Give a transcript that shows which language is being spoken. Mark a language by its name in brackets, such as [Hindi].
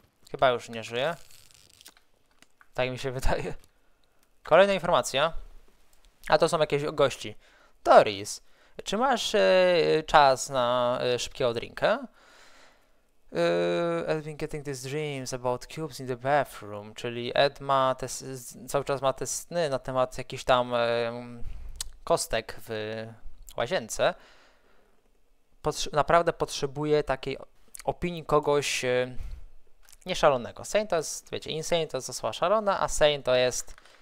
[Polish] Chyba już nie żyje. Tak mi się wydaje. Kolejna informacja. A to są jakieś gości. Doris, czy masz czas na szybkiego drinka? [English] Ed been getting these dreams about cubes in the bathroom. [Polish] Czyli Ed ma te, cały czas ma te sny na temat jakichś tam kostek w łazience. Naprawdę potrzebuje takiej opinii kogoś nieszalonego. Sane to jest, wiecie, insane to jest osoba szalona, a sane to jest...